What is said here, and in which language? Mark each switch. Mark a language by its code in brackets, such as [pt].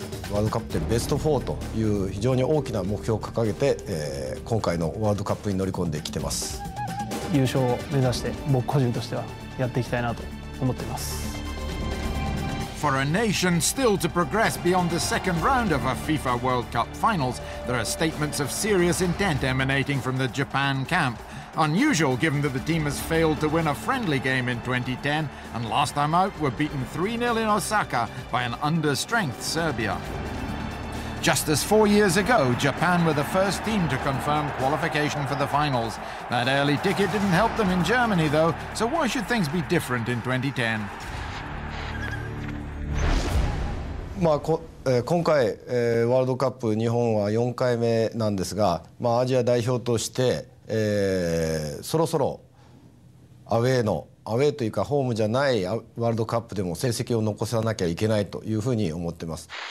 [ja] ワールドカップでベスト4という非常に大きな目標を掲げて、今回のワールドカップに乗り込んできてます。優勝を目指して僕個人としてはやっていきたいなと思っています。 [en] For a nation still to progress beyond the second round of a FIFA World Cup finals, there are statements of serious intent emanating from the Japan camp. Unusual given that the team has failed to win a friendly game in 2010 and last time out were beaten 3-0 in Osaka by an understrength Serbia. Just as 4 years ago, Japan were the first team to confirm qualification for the finals. That early ticket didn't help them in Germany though, so why should things be different in 2010? [ja] まあ今回、ワールドカップ日本は4回目なんですが、まあ、アジア代表として、そろそろアウェーというかホームじゃないワールドカップでも成績を残さなきゃいけないというふうに思ってます。